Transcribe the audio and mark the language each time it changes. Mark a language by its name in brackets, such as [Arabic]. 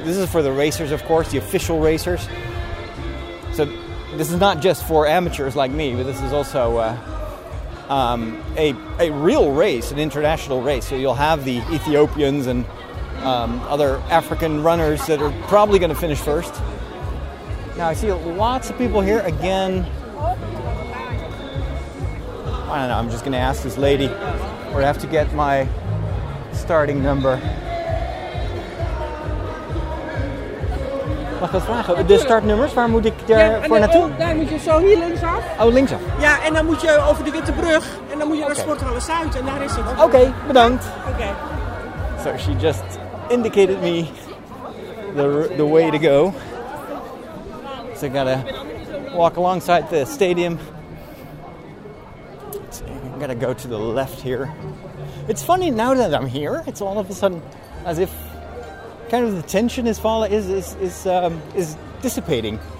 [English] This is for the racers, of course, the official racers. So this is not just for amateurs like me, but this is also a real race, an international race. So you'll have the Ethiopians and other African runners that are probably going to finish first. Now, I see lots of people here again. I don't know, I'm just going to ask this lady where I have to get my starting number. [Dutch] Mag ik dat vragen? De startnummers, waar moet ik daarvoor naartoe? Oh, daar moet je zo hier linksaf. Oh, linksaf. Ja, en dan moet je over de Witte Brug en dan moet je naar Sporthallen Zuid en daar is het. Oké, bedankt. Oké. [English] So she just indicated me the way to go. So I gotta walk alongside the stadium. I gotta go to the left here. It's funny now that I'm here, it's all of a sudden as if kind of the tension is dissipating.